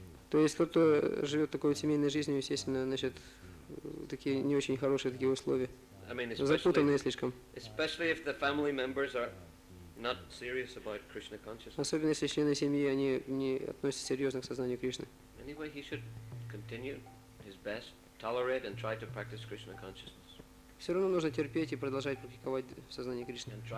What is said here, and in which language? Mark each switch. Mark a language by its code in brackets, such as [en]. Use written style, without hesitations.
[ru] То есть тот, кто живет такой семейной жизнью, естественно, значит, такие не очень хорошие такие условия. [en] I mean, [ru] запутанные слишком. [en] Especially if the family members are not serious about Krishna consciousness. [ru] Особенно если члены семьи они не относятся серьезно к сознанию Кришны. [en] Anyway, he should continue his best, tolerate and try to practice Krishna consciousness. [ru] Все равно нужно терпеть и продолжать практиковать сознание Кришны.